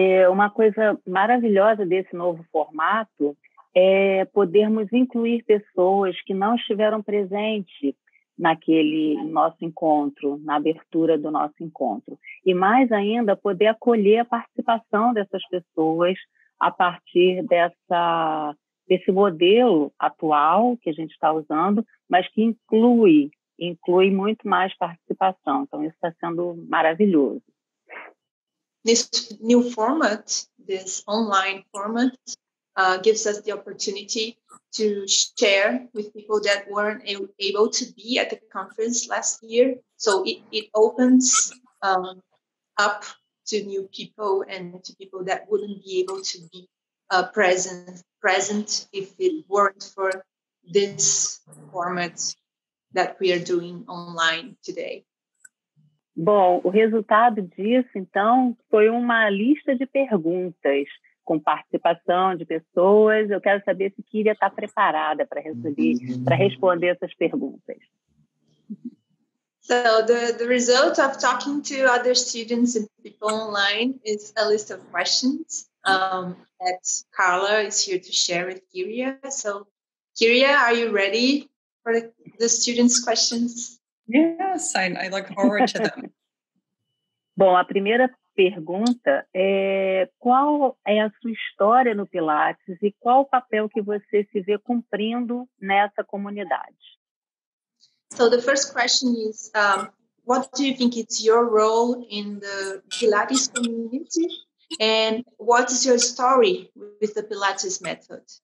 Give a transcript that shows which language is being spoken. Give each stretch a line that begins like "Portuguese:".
Portuguese: Uma coisa maravilhosa desse novo formato é podermos incluir pessoas que não estiveram presentes naquele nosso encontro, na abertura do nosso encontro. E mais ainda, poder acolher a participação dessas pessoas a partir desse modelo atual que a gente está usando, mas que inclui muito mais participação. Então, isso está sendo maravilhoso. Nesse
English: new format, this online format, gives us the opportunity to share with people that weren't able to be at the conference last year. So it opens up to new people and to people that wouldn't be able to be present if it weren't for this format that we are doing online today.
Portuguese: Bom, o resultado disso, então, foi uma lista de perguntas com participação de pessoas. Eu quero saber se Kiria está preparada para responder essas perguntas.
English: So the result of talking to other students and people online is a list of questions that Carla is here to share with Kiria. So Kiria, are you ready for the students' questions? Yes, I look forward to them.
Portuguese: Bom, a primeira pergunta é: qual é a sua história no Pilates e qual o papel que você se vê cumprindo nessa comunidade?
English: So the first question is, what do you think it's your role in the Pilates community and what is your story with the Pilates method?